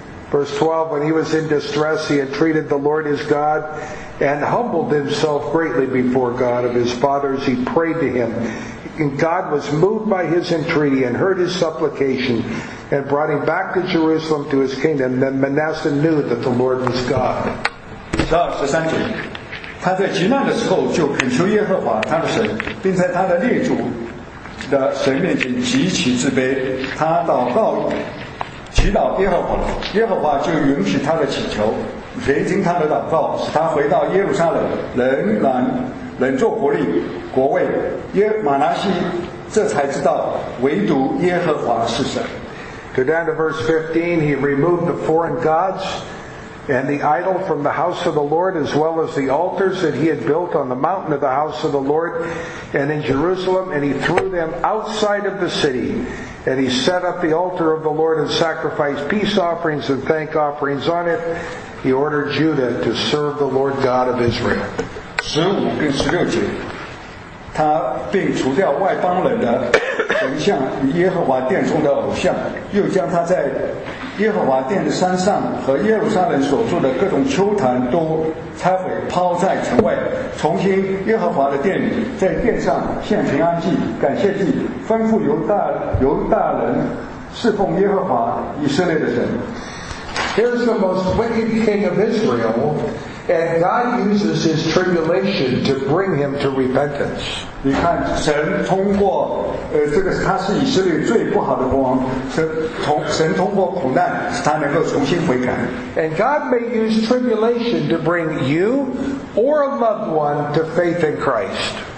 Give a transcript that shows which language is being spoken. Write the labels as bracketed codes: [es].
[en] Verse 12, when he was in distress, he entreated the Lord his God and humbled himself greatly before God of his fathers. He prayed to him. And God was moved by his entreaty and heard his supplication and brought him back to Jerusalem to his kingdom. Then Manasseh knew that the Lord was God. [zh] 13节，他在极难的时候就恳求耶和华他的神，并在他的列祖的神面前极其自卑。他祷告祈祷耶和华，耶和华就允许他的祈求，垂听他的祷告，使他回到耶路撒冷，仍做国吏国位。马拿西这才知道唯独耶和华是神。 [en] Go down to verse 15. He removed the foreign gods and the idol from the house of the Lord, as well as the altars that he had built on the mountain of the house of the Lord and in Jerusalem, and he threw them outside of the city. And he set up the altar of the Lord and sacrificed peace offerings and thank offerings on it. He ordered Judah to serve the Lord God of Israel. [zh] 15-16节，他并除掉外邦人的神像与耶和华殿中的偶像，又将他在耶和华殿的山上和耶路撒冷所住的各种丘坛都拆毁，抛在城外，重新耶和华的殿里，在殿上献平安祭、感谢祭，吩咐犹大人侍奉耶和华以色列的神。 [en] Here's the most wicked king of Israel, and God uses his tribulation to bring him to repentance. [zh] 你看，神通过他是以色列最不好的国王，神通过苦难使他能够重新悔改。 [en] And God may use tribulation to bring you or a loved one to faith in Christ.